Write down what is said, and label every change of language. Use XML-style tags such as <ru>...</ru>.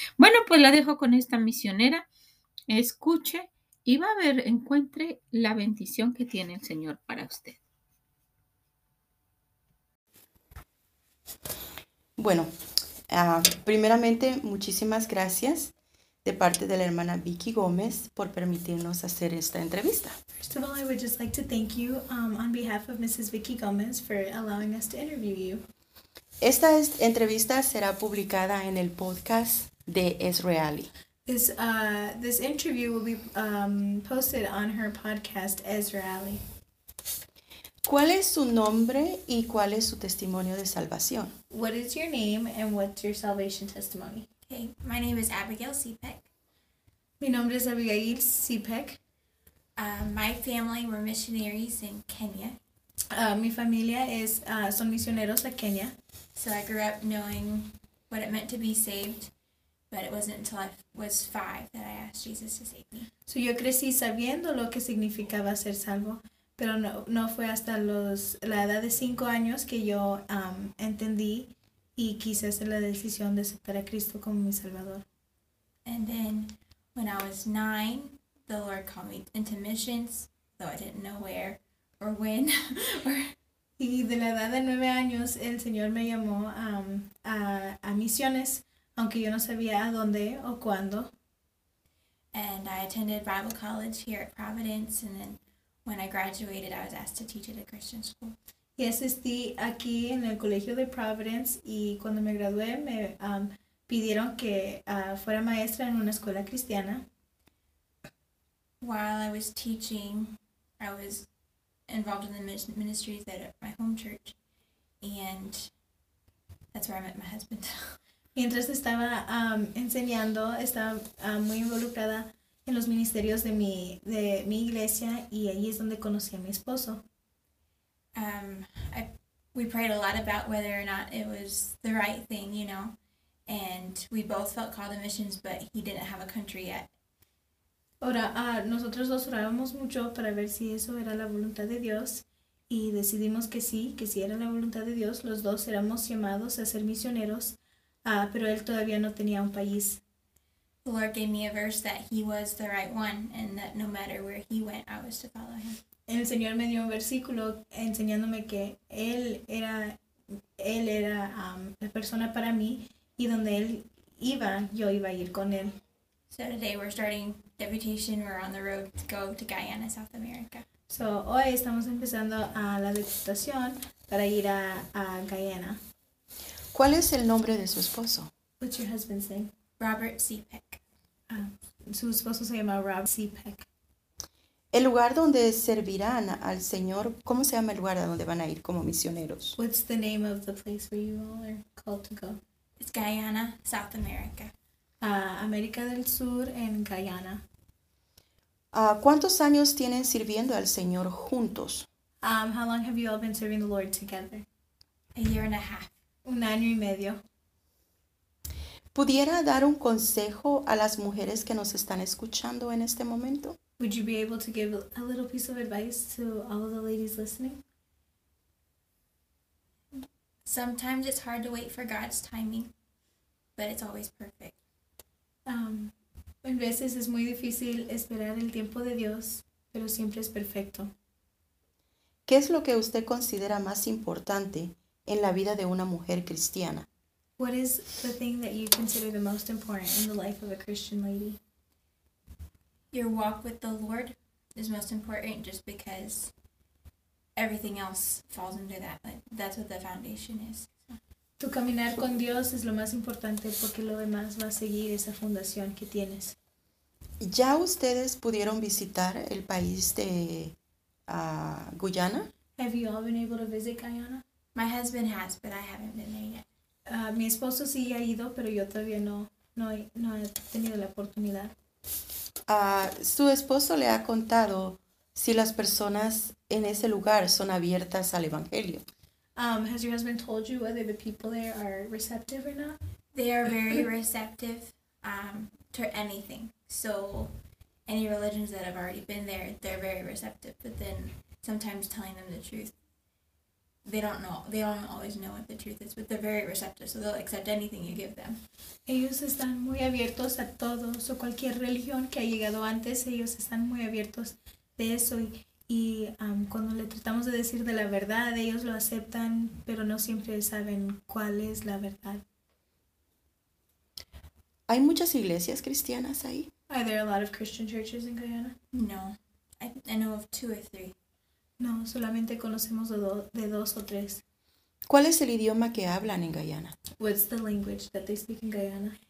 <es>Bueno, pues la dejo con esta misionera. Escuche y va a ver, encuentre la bendición que tiene el Señor para usted. Bueno, primeramente, muchísimas gracias de parte de la hermana Vicky Gómez por permitirnos hacer esta entrevista.</es> <en>First of all, I would just like to thank you on behalf of Mrs. Vicky Gomez for allowing us to interview you.</en> <es>Esta entrevista será publicada en el podcast de Esreali.</es> <en>This interview will be posted on her podcast, Esreali.</en> <es>¿Cuál es su nombre y cuál es su testimonio de salvación?</es> <en>What is your name and what's your salvation testimony? Okay, my name is Abigail Sipek.</en> <es>Mi nombre es Abigail Sipek.</es> <en>My family were missionaries in Kenya.</en> <es>Mi familia es son misioneros a Kenya.</es> <en>So I grew up knowing what it meant to be saved, but it wasn't until I was 5 that I asked Jesus to save me.</en> <es>So yo crecí sabiendo lo que significaba ser salvo, pero no fue hasta la edad de 5 años que yo entendí y quise hacer la decisión de aceptar a Cristo como mi salvador.</es> <en>And then when I was 9, the Lord called me into missions, though I didn't know where or when.</en> <es>Y de la edad de 9 años el Señor me llamó a misiones, aunque yo no sabía a dónde o cuándo.</es> <en>And I attended Bible college here at Providence, and then when I graduated, I was asked to teach at a Christian school.</en> <es>Y asistí aquí en el Colegio de Providence, y cuando me gradué, me pidieron que fuera maestra en una escuela cristiana.</es> <en>While I was teaching, I was involved in the ministries at my home church, and that's where I met my husband.</en> <es>Mientras estaba enseñando, estaba muy involucrada en los ministerios de mi iglesia, y ahí es donde conocí a mi esposo.</es> <en>We prayed a lot about whether or not it was the right thing, you know, and we both felt called to missions, but he didn't have a country yet.</en> <es>Ahora, nosotros dos orábamos mucho para ver si eso era la voluntad de Dios, y decidimos que sí era la voluntad de Dios, los dos éramos llamados a ser misioneros, pero él todavía no tenía un país.</es> <en>The Lord gave me a verse that he was the right one and that no matter where he went, I was to follow him.</en> <es>El Señor me dio un versículo enseñándome que él era la persona para mí y donde él iba, yo iba a ir con él.</es> <en>So today we're starting deputation, we're on the road to go to Guyana, South America.</en> <es>So hoy estamos empezando a la deputación para ir a Guyana. ¿Cuál es el nombre de su esposo?</es> <en>What's your husband's name? Robert C. Peck.</en> <es>Su esposo se llama Rob C. Peck. El lugar donde servirán al Señor, ¿cómo se llama el lugar a donde van a ir como misioneros?</es> <en>What's the name of the place where you all are called to go? It's Guyana, South America.</en> <es>América del Sur en Guyana. ¿Cuántos años tienen sirviendo al Señor juntos?</es> <en>How long have you all been serving the Lord together? A year and a half.</en> <es>Un año y medio. ¿Pudiera dar un consejo a las mujeres que nos están escuchando en este momento?</es> <en>Would you be able to give a little piece of advice to all of the ladies listening? Sometimes it's hard to wait for God's timing, but it's always perfect.</en> <es>En veces es muy difícil esperar el tiempo de Dios, pero siempre es perfecto. ¿Qué es lo que usted considera más importante en la vida de una mujer cristiana?</es> <en>What is the thing that you consider the most important in the life of a Christian lady? Your walk with the Lord is most important just because everything else falls under that. Like, that's what the foundation is.</en> <es>Tu caminar con Dios es lo más importante porque lo demás va a seguir esa fundación que tienes. ¿Ya ustedes pudieron visitar el país de Guyana?</es> <en>Have you all been able to visit Guyana? My husband has, but I haven't been there yet.</en> <es>Mi esposo sí ha ido, pero yo todavía no he tenido la oportunidad. Su esposo le ha contado si las personas en ese lugar son abiertas al evangelio.</es> <en>Has your husband told you whether the people there are receptive or not? They are very receptive to anything. So any religions that have already been there, they're very receptive. But then sometimes telling them the truth, they don't know. They don't always know what the truth is, but they're very receptive, so they'll accept anything you give them.</en> <es>Ellos están muy abiertos a todos o cualquier religión que ha llegado antes. Ellos están muy abiertos de eso y cuando le tratamos de decir de la verdad, ellos lo aceptan, pero no siempre saben cuál es la verdad. ¿Hay muchas iglesias cristianas ahí?</es> <en>Are there a lot of Christian churches in Guyana? No. I know of two or three.</en> <es>No, solamente conocemos de dos o tres. ¿Cuál es el idioma que hablan en Guyana?</es> <en>What's the language that they speak in Guyana?</en>